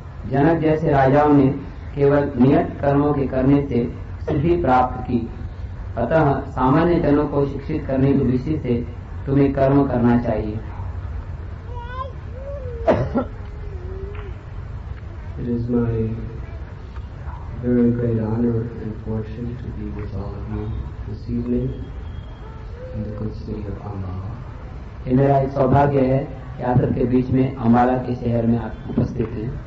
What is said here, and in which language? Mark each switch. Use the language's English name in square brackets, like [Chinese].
[Hindi] जनक जैसे राजाओं ने केवल नियत कर्मों के करने से सिद्धि प्राप्त की, अतः सामान्य जनों को शिक्षित करने की दृष्टि से तुम्हें कर्म करना चाहिए। [English] It is my very great honor and fortune to be with all of you this evening in the good city of Ambala. [Hindi] मेरा एक सौभाग्य है कि आप सबके बीच में अम्बाला के शहर में आप उपस्थित हैं।